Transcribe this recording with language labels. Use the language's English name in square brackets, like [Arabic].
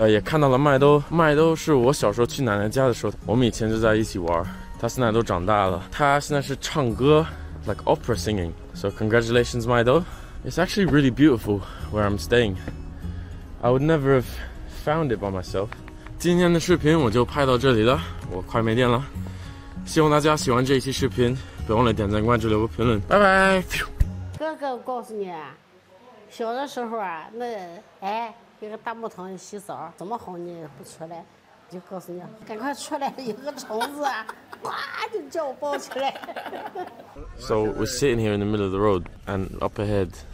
[Chinese] 也看到了麦兜，麦兜是我小时候去奶奶家的时候我们以前就在一起玩，他现在都长大了，他现在是唱歌 [English] like opera singing。 So congratulations 麦兜。 It's actually really beautiful where I'm staying. I would never have found it by myself. [Chinese] 今天的视频我就拍到这里了，我快没电了。希望大家喜欢这一期视频，别忘了点赞、关注、留个评论，拜拜。哥哥，我告诉你，小的时候啊，那哎，一个大木桶洗澡，怎么哄你不出来？就告诉你，赶快出来，有个虫子啊，哇就叫我抱起来。 [English] So we're sitting here in the middle of the road, and up ahead.